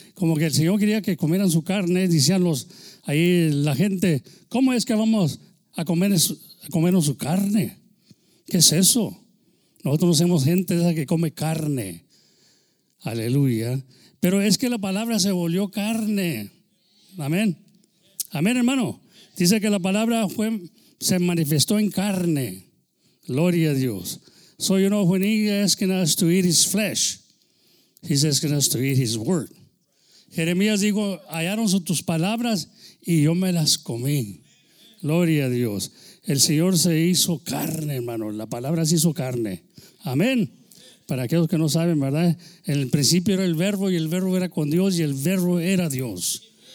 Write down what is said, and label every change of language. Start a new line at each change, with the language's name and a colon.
Spanish: Como que el Señor quería que comieran su carne, decían los, ahí la gente, ¿cómo es que vamos a comer su, a comernos su carne? ¿Qué es eso? Nosotros no somos gente esa que come carne. Aleluya. Pero es que la palabra se volvió carne. Amén. Amén, hermano. Dice que la palabra fue, se manifestó en carne. Gloria a Dios.
English: So you know, when he asked us to eat his flesh, he's asking us to eat his word.
Spanish: Jeremías dijo, hallaron tus palabras y yo me las comí. Gloria a Dios. El Señor se hizo carne, hermano. La palabra se hizo carne. Amén. Para aquellos que no saben, ¿verdad? En el principio era el verbo y el verbo era con Dios y el verbo era Dios.